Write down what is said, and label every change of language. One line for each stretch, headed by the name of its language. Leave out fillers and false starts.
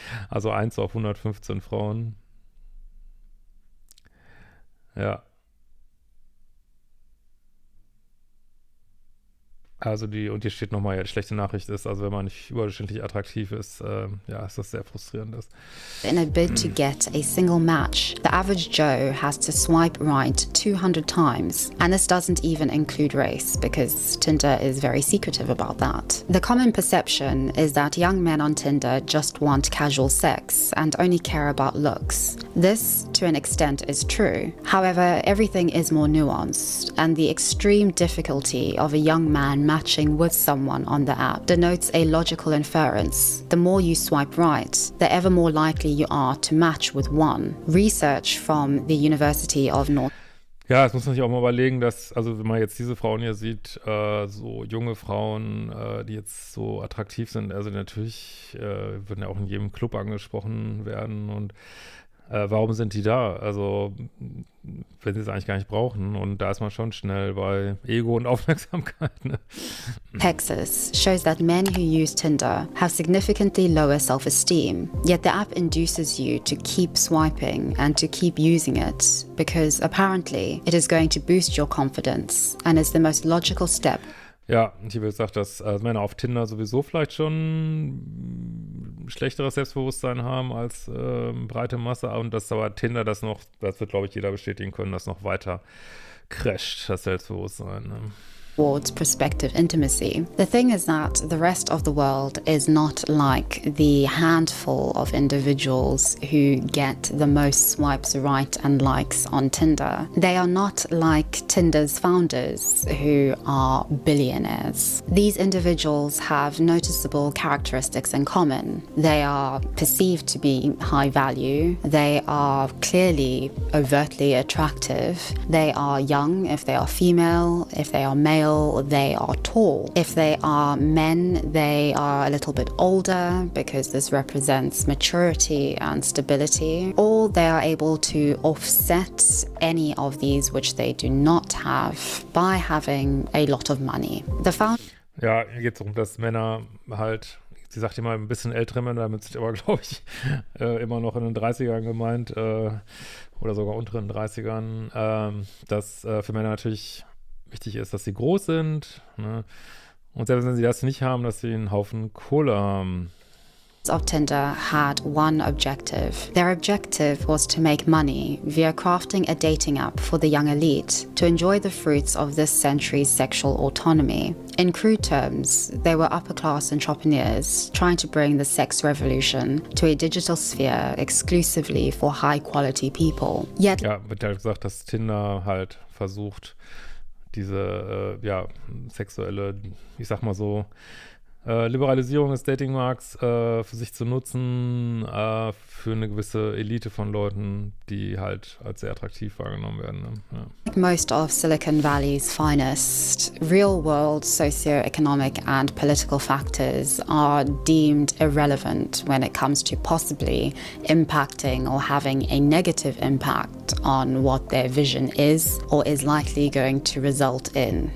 German: Also 1 auf 115 Frauen. Ja. Also die, und hier steht nochmal, ja, die schlechte Nachricht ist, also wenn man nicht überdurchschnittlich attraktiv ist, ja, ist das sehr frustrierend.
English: In a bid to get a single match, the average Joe has to swipe right 200 times. And this doesn't even include race, because Tinder is very secretive about that. The common perception is that young men on Tinder just want casual sex and only care about looks. This, to an extent, is true. However, everything is more nuanced, and the extreme difficulty of a young man matching with someone on the app denotes a logical inference. The more you swipe right, the ever more likely you are to match with one. Research from the University of North.
German: Ja, das muss man sich auch mal überlegen, dass, also wenn man jetzt diese Frauen hier sieht, so junge Frauen, die jetzt so attraktiv sind, also natürlich würden ja auch in jedem Club angesprochen werden und warum sind die da? Also, wenn sie es eigentlich gar nicht brauchen. Und da ist man schon schnell bei Ego und Aufmerksamkeit. Ne?
English: Texas shows that men who use Tinder have significantly lower self-esteem. Yet the app induces you to keep swiping and to keep using it, because apparently it is going to boost your confidence and is the most logical step.
German: Ja, ich habe gesagt, dass Männer auf Tinder sowieso vielleicht schon schlechteres Selbstbewusstsein haben als breite Masse und dass aber Tinder das noch, das wird glaube ich jeder bestätigen können, das noch weiter crasht, das Selbstbewusstsein. Ne?
English: Towards prospective intimacy. The thing is that the rest of the world is not like the handful of individuals who get the most swipes right and likes on Tinder. They are not like Tinder's founders, who are billionaires. These individuals have noticeable characteristics in common. They are perceived to be high value. They are clearly overtly attractive. They are young if they are female, if they are male, they are tall. If they are men, they are a little bit older because this represents maturity and stability. Or they are able to offset any of these which they do not have by having a lot of money.
German: Ja, hier geht es darum, dass Männer halt, sie sagt immer ein bisschen ältere Männer, damit sind aber glaube ich immer noch in den 30ern gemeint oder sogar unteren 30ern, dass für Männer natürlich wichtig ist, dass sie groß sind, ne? Und selbst wenn sie das nicht haben, dass sie einen Haufen Kohle haben.
English: Of Tinder had one objective. Their objective was to make money via crafting a dating app for the young elite to enjoy the fruits of this century's sexual autonomy. In crude terms, they were upper-class entrepreneurs trying to bring the sex revolution to a digital sphere exclusively for high-quality people. Yet,
German: ja, wird halt gesagt, dass Tinder halt versucht, diese ja, sexuelle, ich sag mal so, Liberalisierung des Datingmarkts für sich zu nutzen, für eine gewisse Elite von Leuten, die halt als sehr attraktiv wahrgenommen werden. Ne? Ja.
English: Most of Silicon Valley's finest, real world socio-economic and political factors are deemed irrelevant when it comes to possibly impacting or having a negative impact on what their vision is or is likely going to result in.